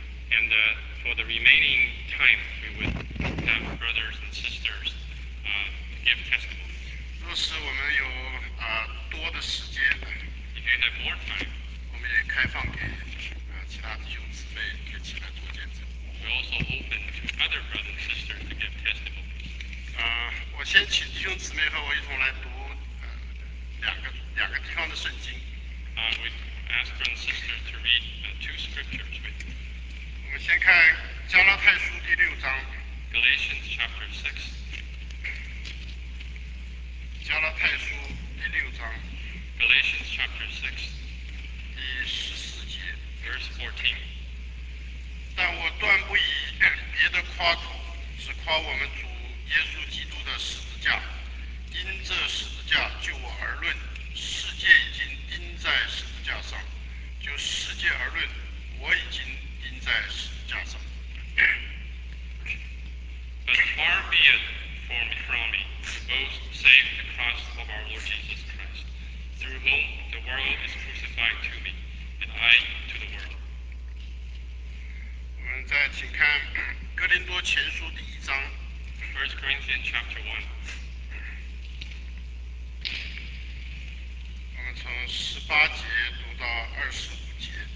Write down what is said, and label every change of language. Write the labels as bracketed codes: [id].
[en] And for the remaining time we would have brothers and sisters give testimony [zh] 若是我们有多的时间 [en] If you have more time, [zh] 我们也开放给其他弟兄姊妹可以起来做见证 [en] We also open to other brothers and sisters to give testimony [zh] 我先请弟兄姊妹和我一同来读两个地方的圣经 [en] We ask brothers and sisters to read two scriptures with you [zh] 我们先看加拉太书第六章 [en] Galatians chapter 6 [zh] 加拉太书第六章 [en] Galatians chapter 6 [zh] 第十四节 [en] Verse 14 [zh] 但我断不以别的夸口只夸我们主耶稣基督的十字架因这十字架就我而论世界已经钉在十字架上就世界而论我已经钉在十字架上 [en] But far be itFrom me, to boast save the cross of our Lord Jesus Christ, through whom the world is crucified to me, and I to the world. [zh] 我们再请看哥林多前书第一章 [en] First Corinthians chapter 1. [zh] 我们从十八节读到二十五节